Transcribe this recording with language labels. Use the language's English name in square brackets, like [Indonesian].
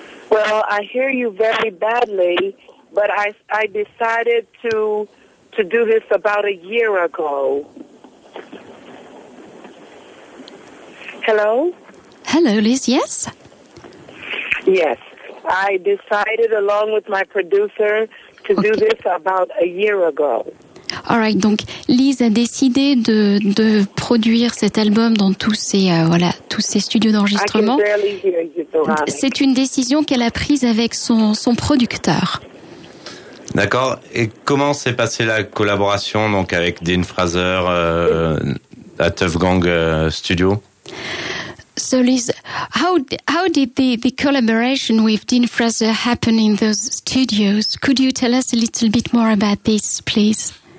[English] Well, I hear you very badly, but I decided to do this about a year ago. Hello? Hello, Liz. Yes? Yes. I decided along with my producer to do this about a year ago. All right, [French] donc Lise a décidé de produire cet album dans tous ses tous ses studios d'enregistrement. C'est une décision qu'elle a prise avec son producteur. D'accord. Et comment s'est passée la collaboration donc avec Dean Fraser à Tuff Gong Studio? [English] So Liz, how did the collaboration with Dean Fraser happen in those studios? Could you tell us a little bit more about this, please?